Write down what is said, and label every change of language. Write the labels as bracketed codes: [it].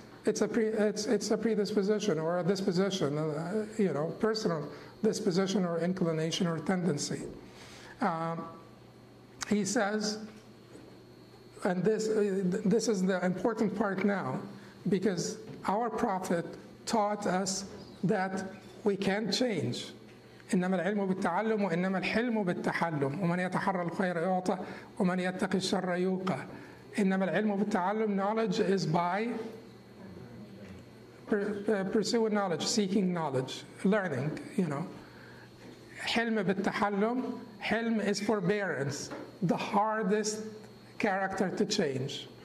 [en] It's a predisposition or a disposition, personal disposition or inclination or tendency. He says, and this is the important part now, because our Prophet taught us that we can't change. [ar] إنما العلم بالتعلم وإنما الحلم بالتحلم ومن يتحرى الخير يعطى ومن يتقي الشر يوقى. إنما العلم بالتعلم, [en] knowledge is by pursuing knowledge, seeking knowledge, learning, you know. [ar] حلم بالتحلم, [en] حلم is forbearance, the hardest character to change.